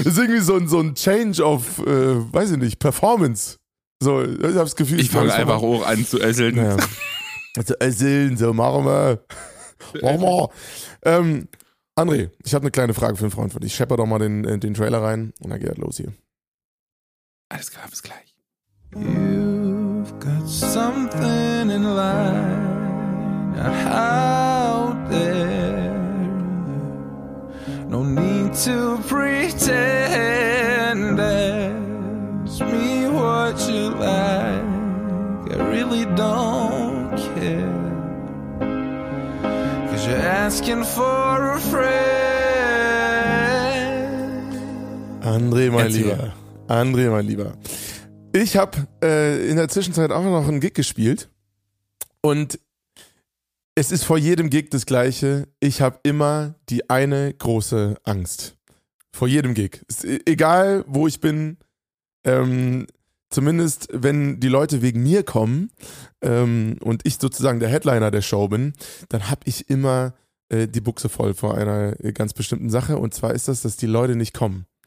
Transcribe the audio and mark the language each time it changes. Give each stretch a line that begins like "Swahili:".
German: Das ist irgendwie so ein Change of, weiß ich nicht, Performance. So, ich hab das Gefühl, ich fange einfach hoch an zu esseln. Ja. Zu esseln, so machen wir. Machen wir. André, ich habe eine kleine Frage für einen Freund von dich. Ich schepper doch mal den Trailer rein und dann geht halt los hier. Alles klar, bis gleich.
English: You've got something in line out there. No need to pretend. Ask me what you like. I really don't care. 'Cause you're asking for a friend.
German: André, mein Lieber. André, mein Lieber. Ich habe in der Zwischenzeit auch noch einen Gig gespielt und es ist vor jedem Gig das Gleiche. Ich habe immer die eine große Angst. Vor jedem Gig. Egal, wo ich bin, zumindest wenn die Leute wegen mir kommen und ich sozusagen der Headliner der Show bin, dann habe ich immer die Buchse voll vor einer ganz bestimmten Sache, und zwar ist das, dass die Leute nicht kommen.